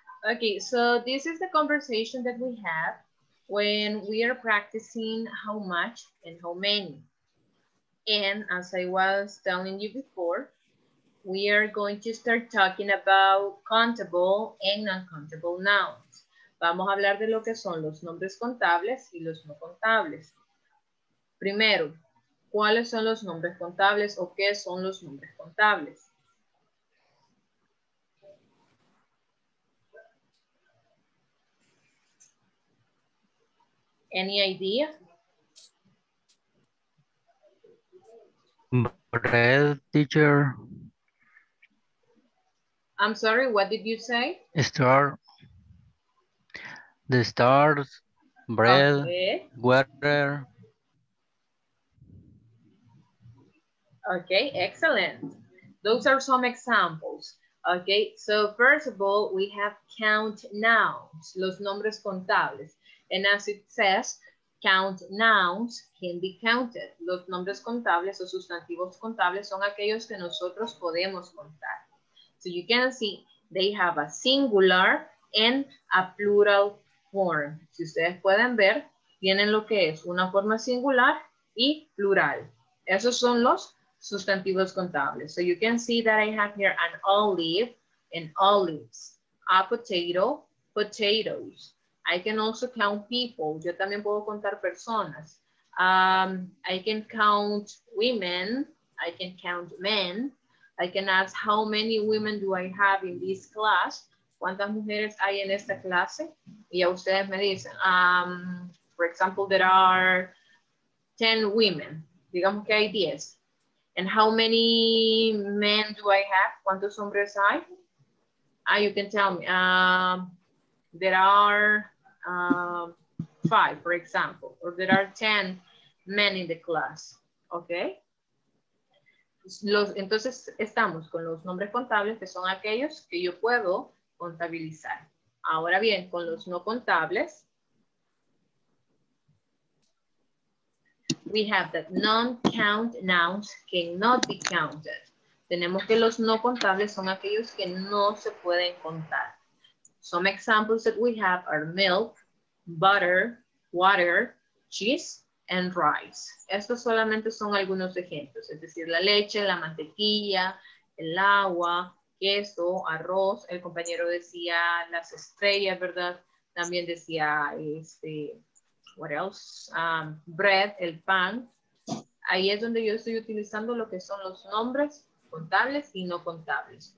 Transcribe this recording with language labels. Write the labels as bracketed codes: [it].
[en] Okay, so this is the conversation that we have when we are practicing how much and how many. And as I was telling you before, we are going to start talking about countable and non-countable nouns. [es] Vamos a hablar de lo que son los nombres contables y los no contables. Primero, ¿cuáles son los nombres contables o qué son los nombres contables? [en] Any idea? Bread, teacher. I'm sorry, what did you say? Star. The stars, bread, okay. Water. Okay, excellent. Those are some examples. Okay, so first of all, we have count nouns, [es] los nombres contables. [en] And as it says, count nouns can be counted. [es] Los nombres contables o sustantivos contables son aquellos que nosotros podemos contar. [en] So you can see they have a singular and a plural form. [es] Si ustedes pueden ver, tienen lo que es una forma singular y plural. Esos son los sustantivos contables. [en] So you can see that I have here an olive and olives, a potato, potatoes. I can also count people. [es] Yo también puedo contar personas. [en] I can count women. I can count men. I can ask how many women do I have in this class. [es] ¿Cuántas mujeres hay en esta clase? Y a ustedes me dicen, [en] for example, there are 10 women. [es] digamos que hay 10. [en] And how many men do I have? [es] ¿Cuántos hombres hay? [en] Ah, you can tell me. There are 5, for example, or there are 10 men in the class. Okay. [es] Entonces estamos con los nombres contables, que son aquellos que yo puedo contabilizar. Ahora bien, con los no contables, [en] we have that non-count nouns cannot be counted. [es] Tenemos que los no contables son aquellos que no se pueden contar. [en] Some examples that we have are milk, butter, water, cheese, and rice. [es] Estos solamente son algunos ejemplos, es decir, la leche, la mantequilla, el agua, queso, arroz. El compañero decía las estrellas, ¿verdad? También decía [en] what else? [es] Bread, el pan. Ahí es donde yo estoy utilizando lo que son los nombres contables y no contables.